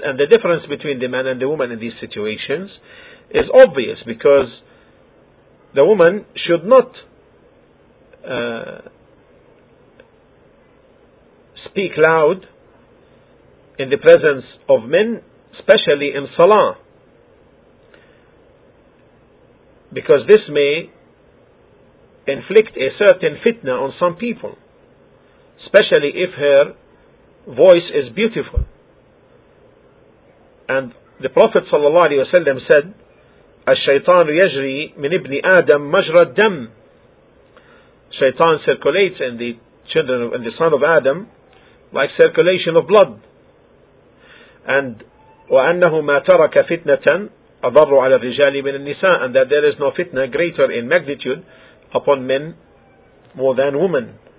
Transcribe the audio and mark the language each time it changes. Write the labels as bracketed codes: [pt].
[en] And the difference between the man and the woman in these situations is obvious, because the woman should not speak loud in the presence of men, especially in salah, because this may inflict a certain fitna on some people, especially if her voice is beautiful. And the Prophet ﷺ said, [ar] الشيطان يجري من ابن آدم مجرى الدم. [en] Shaitan circulates in the children of, in the son of Adam, like circulation of blood. And [ar] وأنه ما ترك فتنة أضر على الرجال من النساء, [en] and that there is no fitna greater in magnitude upon men more than women.